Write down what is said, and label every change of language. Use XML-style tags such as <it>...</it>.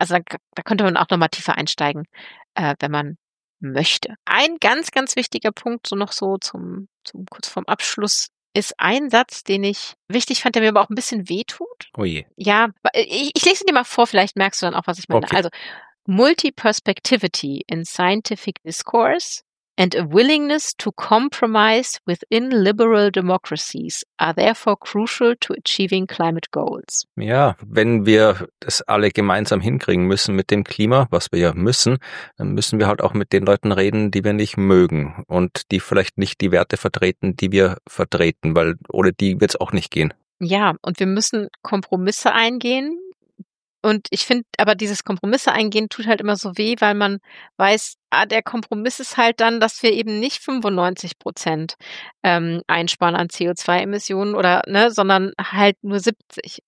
<de>Also da könnte man auch nochmal tiefer einsteigen, wenn man möchte. Ein ganz, ganz wichtiger Punkt, so noch so zum kurz vorm Abschluss, ist ein Satz, den ich wichtig fand, der mir aber auch ein bisschen wehtut. Oh je. Ja, ich lese ihn dir mal vor, vielleicht merkst du dann auch, was ich meine. Okay.</de> <en>Also, Multiperspectivity in scientific discourse and a willingness to compromise within liberal democracies are therefore crucial to achieving climate goals.</en> <de>Ja, wenn wir das alle gemeinsam hinkriegen müssen mit dem Klima, was wir ja müssen, dann müssen wir halt auch mit den Leuten reden, die wir nicht mögen und die vielleicht nicht die Werte vertreten, die wir vertreten, weil ohne die wird es auch nicht gehen. Ja, und wir müssen Kompromisse eingehen. Und ich finde, aber dieses Kompromisse eingehen tut halt immer so weh, weil man weiß, der Kompromiss ist halt dann, dass wir eben nicht 95% einsparen an CO2-Emissionen oder, ne, sondern halt nur 70.</de>